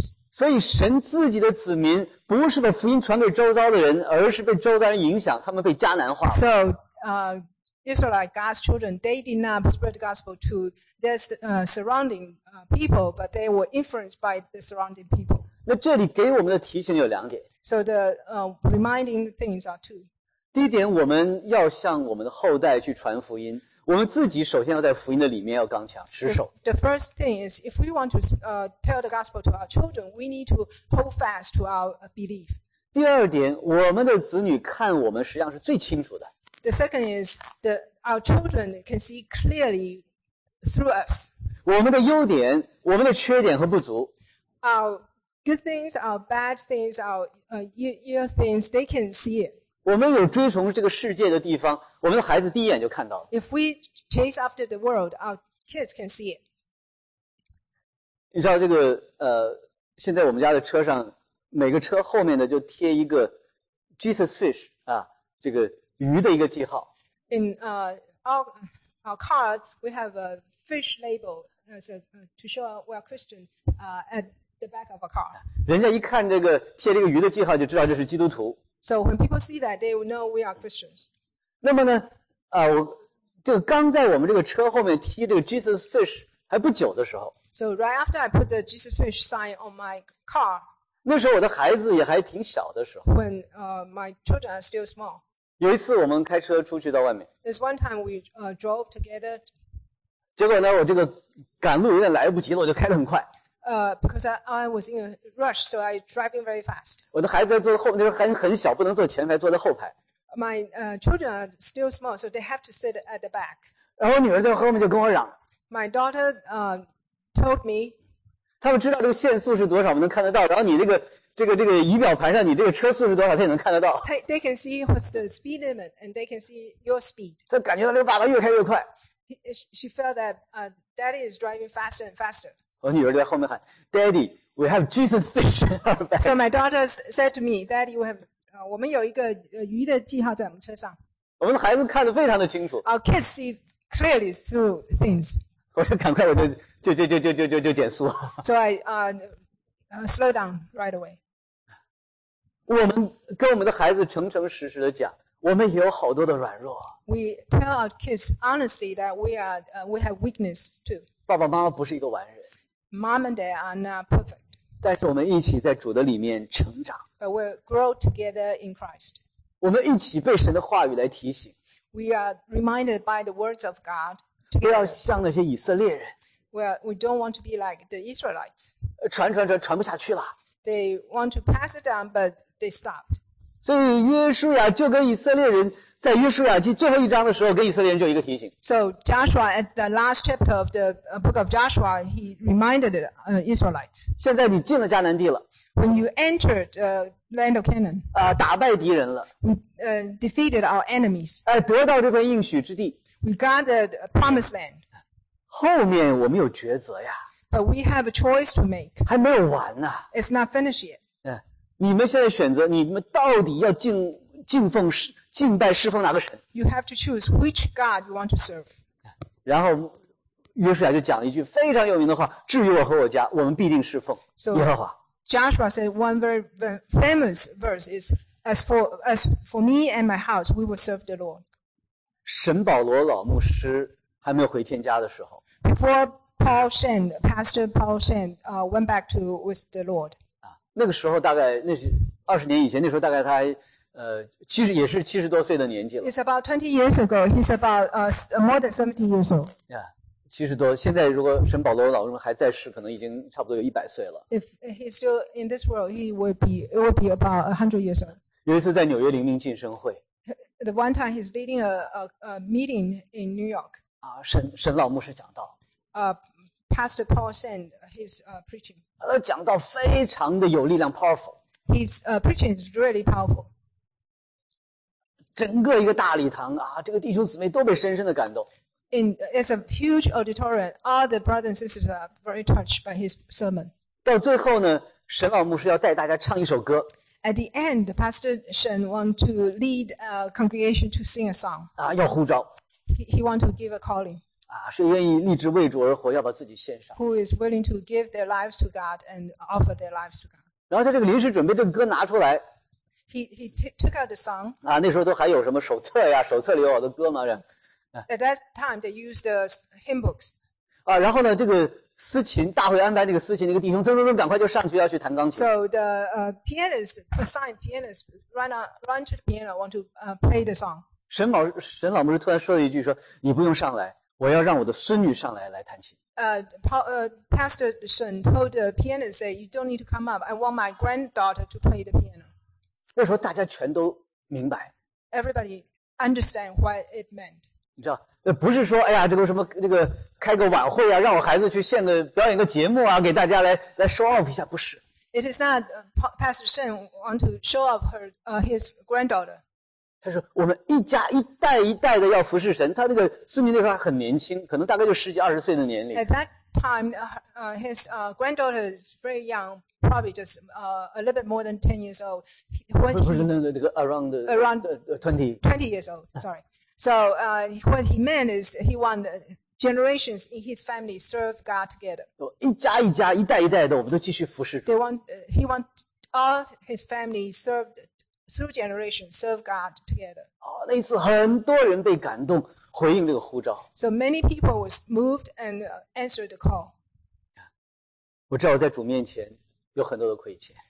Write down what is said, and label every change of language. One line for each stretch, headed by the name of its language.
Chinese: 所以神自己的子民不是把福音传给周遭的人，而是被周遭人影响，他们被迦南化。
English: So, Israelite God's children, they did not spread the gospel to their surrounding people, but they were influenced by the surrounding people.
Chinese: 那这里给我们的提醒有两点。
English: So the reminding things are two.
Chinese: 第一点，我们要向我们的后代去传福音。我们自己首先要在福音的里面要刚强持守。
English: The first thing is, if we want to tell the gospel to our children, we need to hold fast to our belief.
Chinese: 第二点，我们的子女看我们实际上是最清楚的。
English: The second is that our children can see clearly through us.
Chinese: 我们的优点、我们的缺点和不足。
English: Our good things, our bad things, our ill things, they can see it.
Chinese: 我们有追从这个世界的地方，我们的孩子第一眼就看到了。
English: If we chase after the world, our kids can see it.
Chinese: 你知道这个现在我们家的车上每个车后面的就贴一个 Jesus Fish 啊，这个鱼的一个记号。
English: In our our card, we have a fish label to show we are Christian at the back of our card.
Chinese: 人家一看这个贴这个鱼的记号，就知道这是基督徒。
English: So when people see that, they will know we are Christians.
Chinese: 那么呢，我就刚在我们这个车后面贴这个 Jesus Fish 还不久的时候。
English: So right after I put the Jesus Fish sign on my car.
Chinese: 那时候我的孩子也还挺小的时候。
English: When my children are still small.
Chinese: 有一次我们开车出去到外面。
English: There's one time we drove together.
Chinese: 结果呢，我这个赶路有点来不及了，我就开得很快。
English: Because I was in a rush, so I driving very fast.
Chinese: 我的孩子在坐后，那时候还很小，不能坐前排，坐在后排。
English: My children are still small, so they have to sit at the back.
Chinese: 然后我女儿在后面就跟我嚷。
English: My daughter told me.
Chinese: 他们知道这个限速是多少，我们能看得到。然后你那个这个仪表盘上，你这个车速是多少，他也能看得到。
English: They can see what's the speed limit, and they can see your speed.
Chinese: 他感觉到这个爸爸越开越快。
English: She felt that daddy is driving faster and faster.
Chinese: 我女儿在后面喊
English: ，Daddy, we have Jesus fish on our back. So my daughter said to me, Daddy, we have.
Chinese: 我们有一个鱼的记号在我们车上。我们的孩子看得非常的清楚。
English: Our kids see clearly through things.
Chinese: 我说赶快，我就减速。
English: So I slow down right away.
Chinese: 我们跟我们的孩子诚诚实实的讲，我们也有好多的软弱。
English: We tell our kids honestly that we have weakness too.
Chinese: 爸爸妈妈不是一个完人。
English: Mom and dad are not perfect.
Chinese: 但是我们一起在主的里面成长。
English: But we grow together in Christ.
Chinese: 我们一起被神的话语来提醒。
English: We are reminded by the words of God.
Chinese: 不要像那些以色列人。
English: We don't want to be like the Israelites.
Chinese: 传不下去了。
English: They want to pass it down, but they stopped.
Chinese: 所以约书亚就跟以色列人在约书亚记最后一章的时候，跟以色列人就有一个提醒。
English: So Joshua at the last chapter of the book of Joshua, he reminded Israelites.
Chinese: 现在你进了迦南地了。
English: When you entered the land of Canaan.
Chinese: 打败敌人了。
English: We defeated our enemies.
Chinese: 得到这片应许之地。
English: We got the promised land.
Chinese: 后面我们有抉择呀。
English: But we have a choice to make.
Chinese: 还没有完呢。
English: It's not finished yet.
Chinese: 你们现在选择，你们到底要敬拜侍奉哪个神？
English: You have to choose which God you want to serve.
Chinese: 然后约书亚就讲了一句非常有名的话，至于我和我家，我们必定侍奉耶和华。
English: So, Joshua said one very famous verse is, as for me and my house, we will serve the Lord.
Chinese: 神保罗老牧师还没有回天家的时候。
English: Before Pastor Paul Shen, went back to with the Lord.
Chinese: 那个时候大概那是20年以前，那时候大概他还其实也是70多岁的年纪了。
English: It's about 20 years ago. He's about more than 70 years old. Yeah,
Chinese: 70多。现在如果神保罗老人还在世，可能已经差不多有100岁了。
English: If he's still in this world, it would be about 100 years old.
Chinese: 有一次在纽约灵命晋升会。
English: The one time he's leading a meeting in New York.
Chinese: 神老牧师讲道。
English: Pastor Paul Shen, he's preaching.
Chinese: 讲道非常的有力量 ，
English: powerful. His preaching is really powerful.
Chinese: 整个一个大礼堂啊，这个弟兄姊妹都被深深的感动。
English: It's a huge auditorium. All the brothers and sisters are very touched by his sermon.
Chinese: 到最后呢，沈老牧师要带大家唱一首歌。
English: At the end, Pastor Shen want to lead a congregation to sing a song.
Chinese: 要呼召。
English: He want to give a calling.
Chinese: 谁愿意立志为主而活，要把自己献上。
English: Who is willing to give their lives to God and offer their lives to God?
Chinese: 然后他这个临时准备这个歌拿出来。
English: He took out the song.
Chinese: 那时候都还有什么手册呀？手册里有我的歌吗？这。
English: At that time, they used the hymn books.
Chinese: 然后呢，这个司琴大会安排那个司琴那个弟兄，噌噌噌，赶快就上去要去弹钢琴。
English: So the assigned pianist run to the piano, want to play the song.
Chinese: 沈老牧师突然说了一句说：“你不用上来，我要让我的孙女上来弹琴。”
English: Pastor Shen told the pianist, "Say you don't need to come up. I want my granddaughter to play the piano."
Chinese: 那时候大家全都明白。
English: Everybody understand what it meant.
Chinese: 你知道，那不是说，哎呀，这个什么，这个开个晚会啊，让我孩子去献个表演个节目啊，给大家来 show off 一下，不是。
English: It is not Pastor Shen want to show off her his granddaughter.
Chinese: 他说，我们一家一代一代的要服侍神。他那个孙女那时候还很年轻，可能大概就十几二十岁的年龄。
English: At that time, his granddaughter is very young. Probably just a little bit more than 10 years old. No, around 20 years old. Sorry. So what he meant is he wanted generations in his family serve God together.
Chinese: 一家一家一代一代的我们都继续服侍。
English: He want all his family served through generations serve God together.
Chinese: 那一次很多人被感动回应这个呼召。
English: So many people was moved and answered the call.
Chinese: 我知道我在主面前有很多的亏欠。